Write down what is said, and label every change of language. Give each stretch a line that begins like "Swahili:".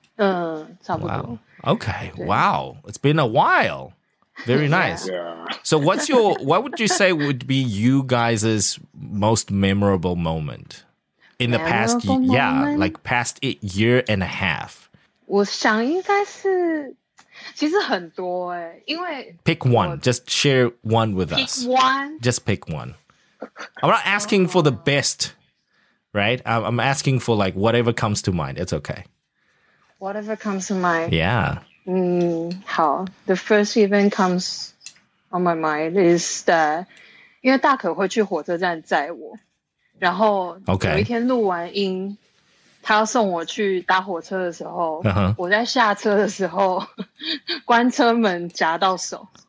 Chinese: 差不多。
English: Wow. Okay, wow. It's been a while. Very nice. Yeah. So what would you say would be you guys' most memorable moment in the past moment? Yeah, like past a year and a half?
Chinese: 我想应该是，其实很多耶，因为。
English: Pick one, just share one with us. Pick one? Just pick one. I'm not asking for the best... Right? I'm asking for like whatever comes to mind. It's okay. Whatever comes to mind. Yeah.
Chinese: 好.
English: The first event comes on my mind is that
Chinese: 因为大可会去火车站载我，然后有一天录完音，他要送我去搭火车的时候，我在下车的时候，关车门夹到手。